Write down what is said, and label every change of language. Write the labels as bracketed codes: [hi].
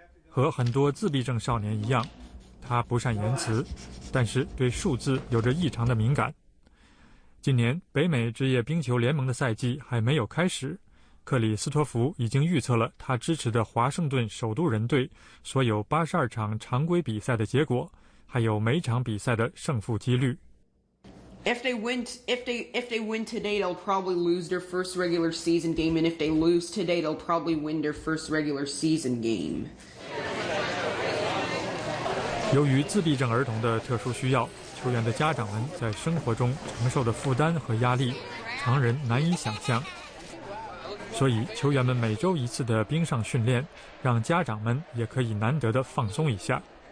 [zh] 和很多自闭症少年一样，他不善言辞，但是对数字有着异常的敏感。今年北美职业冰球联盟的赛季还没有开始，克里斯托弗已经预测了他支持的华盛顿首都人队所有82场常规比赛的结果，还有每场比赛的胜负几率。 [en] If they win today, they'll probably lose their first regular season game. And if they lose today, they'll probably win their first regular season game. [zh] 由于自闭症儿童的特殊需要，球员的家长们在生活中承受的负担和压力，常人难以想象。所以，球员们每周一次的冰上训练，让家长们也可以难得的放松一下。